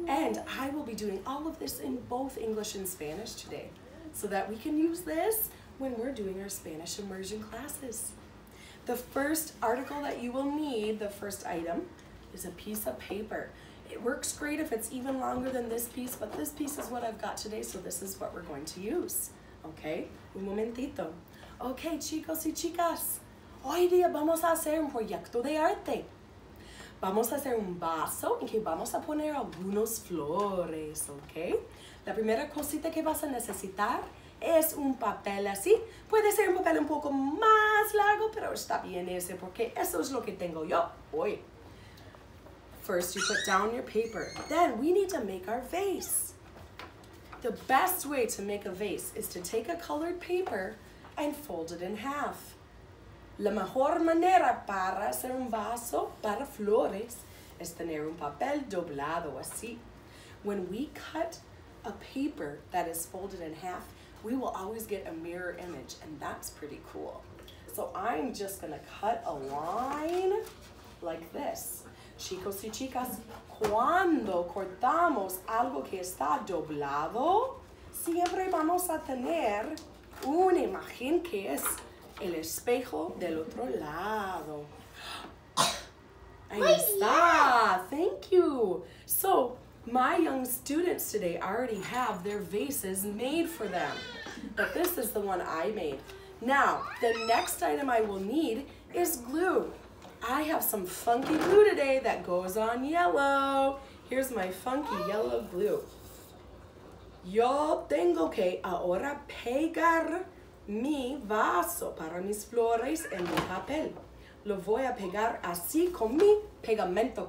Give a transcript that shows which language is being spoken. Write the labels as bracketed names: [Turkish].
[English] And I will be doing all of this in both English and Spanish today, so that we can use this when we're doing our Spanish immersion classes. The first article that you will need, the first item, is a piece of paper. It works great if it's even longer than this piece, but this piece is what I've got today, so this is what we're going to use. [Spanish] Okay, un momentito. Okay, chicos y chicas, hoy día vamos a hacer un proyecto de arte. Vamos a hacer un vaso en que vamos a poner algunos flores, okay? La primera cosita que vas a necesitar es un papel así. Puede ser un papel un poco más largo, pero está bien ese, porque eso es lo que tengo yo hoy. [English] First, you put down your paper. Then, we need to make our vase. The best way to make a vase is to take a colored paper and fold it in half. [Spanish] La mejor manera para hacer un vaso para flores es tener un papel doblado así. [English] When we cut a paper that is folded in half, we will always get a mirror image, and that's pretty cool. So I'm just gonna cut a line like this. [Spanish] Chicos y chicas, cuando cortamos algo que está doblado, siempre vamos a tener una imagen que es el espejo del otro lado. [English] Ahí está. Thank you. So, my young students today already have their vases made for them. But this is the one I made. Now, the next item I will need is glue. I have some funky glue today that goes on yellow. Here's my funky yellow glue. [Spanish] Yo tengo que ahora pegar mi vaso para mis flores en mi papel. Lo voy a pegar así con mi pegamento.